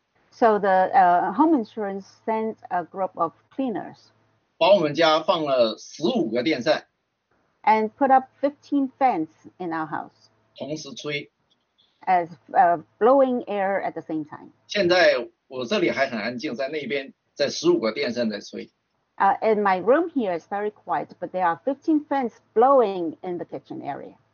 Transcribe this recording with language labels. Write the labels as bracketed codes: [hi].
[en] so the home insurance sent a group of cleaners, [zh] 把我们家放了15个电扇, [en] and put up 15 fans in our house, [zh] 同时吹, [en] as blowing air at the same time. [zh] 现在我这里还很安静, 在那边, 在15个电扇在吹, [en] In my room here is very quiet, but there are 15 fans blowing in the kitchen area.